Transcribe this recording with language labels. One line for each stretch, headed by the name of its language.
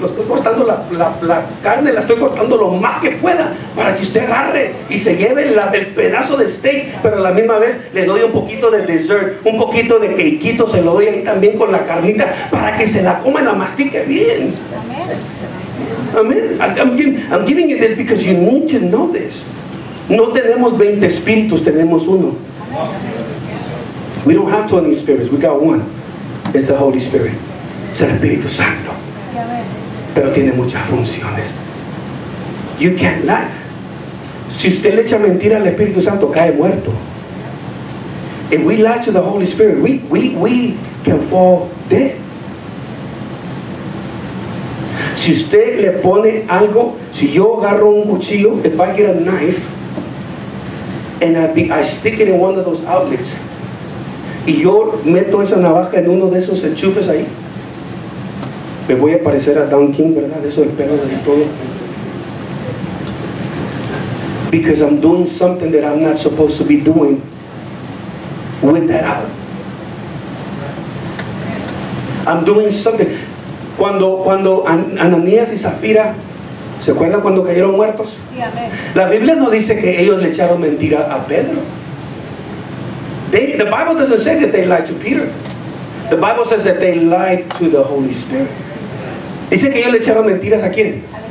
Spanish: Lo estoy cortando la carne, la estoy cortando lo más que pueda para que usted agarre y se lleve el pedazo de steak, pero a la misma vez le doy un poquito de dessert, un poquito de quequito, se lo doy ahí también con la carnita para que se la coma y la mastique bien. Amén. Amén.
English: I'm giving you this because you need to know this.
Spanish: No tenemos 20 espíritus, tenemos uno.
English: We don't have 20 spirits, we got one. It's the Holy Spirit.
Spanish: Es el Espíritu Santo. Pero tiene muchas funciones.
English: You can't lie.
Spanish: Si usted le echa mentira al Espíritu Santo, cae muerto.
English: If we lie to the Holy Spirit, we can fall dead.
Spanish: Si usted le pone algo, si yo agarro un cuchillo,
English: if I get a knife, I stick it in one of those outlets,
Spanish: y yo meto esa navaja en uno de esos enchufes ahí, me voy a parecer a Don King, ¿verdad? Eso del pelo de todo.
English: Because I'm doing something that I'm not supposed to be doing with that out. I'm doing something.
Spanish: Cuando Ananías y Zafira, ¿se acuerdan cuando cayeron muertos? Sí, amén. La Biblia no dice que ellos le echaron mentira a Pedro.
English: The Bible doesn't say that they lied to Peter. The Bible says that they lied to the Holy Spirit.
Spanish: Dice que ellos le echaron mentiras ¿a quién?